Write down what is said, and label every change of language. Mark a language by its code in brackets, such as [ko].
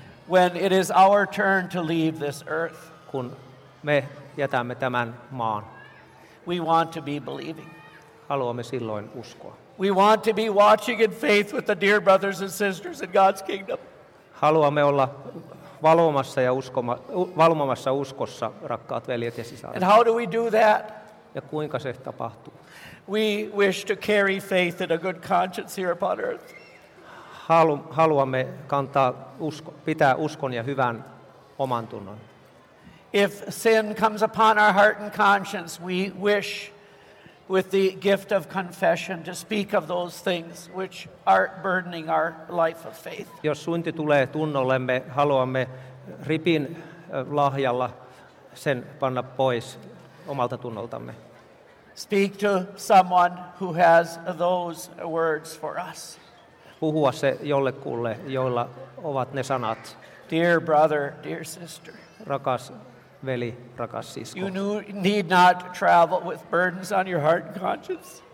[en] When it is our turn to leave this earth, [fi] kun me jätämme tämän maan. [en] We want to be believing. [fi] Haluamme silloin uskoa. [en] We want to be watching in faith with the dear brothers and sisters in God's kingdom. [fi] Haluamme olla valvomassa ja valvomassa uskossa, rakkaat veljet ja sisaret. [en] And how do we do that? [fi] Ja kuinka se tapahtuu? [en] We wish to carry faith in a good conscience here upon earth. [fi] Haluamme kantaa pitää uskon ja hyvän omantunnon. [en] If sin comes upon our heart and conscience, we wish with the gift of confession to speak of those things which are burdening our life of faith. [fi] Jos synti tulee tunnollemme, haluamme ripin lahjalla sen panna pois omalta tunnoltamme. [en] Speak to someone who has those words for us. [fi] Puhua se jollekulle, jolla ovat ne sanat. [en] Dear brother, dear sister. [fi] Rakas veli, rakas sisko. [en] You need not travel with burdens on your heart and conscience.